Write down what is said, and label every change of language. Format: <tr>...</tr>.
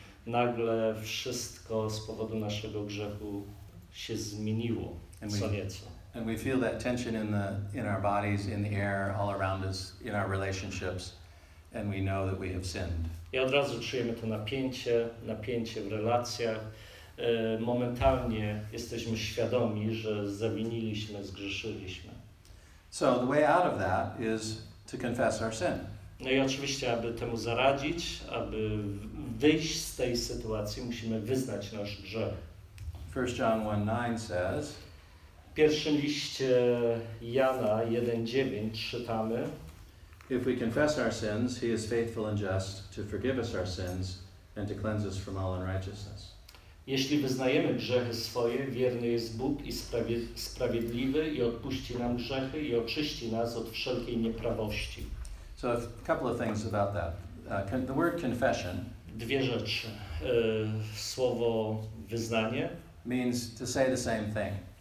<pl>Nagle wszystko z powodu naszego grzechu się zmieniło co nieco.</pl> <en>And we feel that tension in our bodies, in the air, all around us, in our relationships, and we know that we have sinned.</en> <pl>I od razu czujemy to napięcie w relacjach. Momentalnie jesteśmy świadomi, że zawiniliśmy, zgrzeszyliśmy.</pl> <en>So the way out of that is to confess our sin.</en> <pl>No i oczywiście, aby temu zaradzić, aby wyjść z tej sytuacji, musimy wyznać nasz grzech.</pl> <en>1 John 1:9 says.</en> <pl>W pierwszym liście Jana 1:9 czytamy.</pl> <en>If we confess our sins, he is faithful and just to forgive us our sins and to cleanse us from all unrighteousness.</en> <pl>Jeśli wyznajemy grzechy swoje, wierny jest Bóg i sprawiedliwy i odpuści nam grzechy i oczyści nas od wszelkiej nieprawości.</pl> <en>So a couple of things about that. The word confession.</en> <pl>Dwie rzeczy. Słowo wyznanie.</pl> <en>Means to say the same thing.</en>